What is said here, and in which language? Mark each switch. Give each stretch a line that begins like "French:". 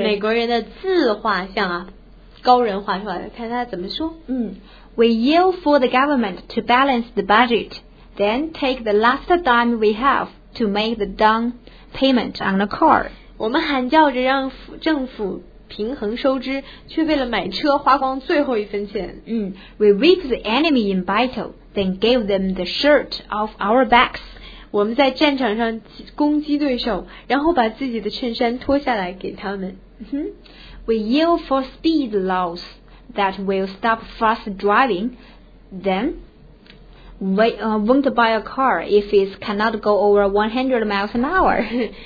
Chinese: 美国人的自画像啊，高人画出来的。看他怎么说。
English: We yield for the government to balance the budget, then take the last dime we have to make the down payment on the car.
Chinese: 我们喊叫着让政府平衡收支，却为了买车花光最后一分钱。
English: We whip the enemy in battle, then gave them the shirt off our backs.
Chinese: 我们在战场上攻击对手，然后把自己的衬衫脱下来给他们。
English: We yield for speed laws that will stop fast driving, then won't buy a car if it cannot go over 100 miles an hour.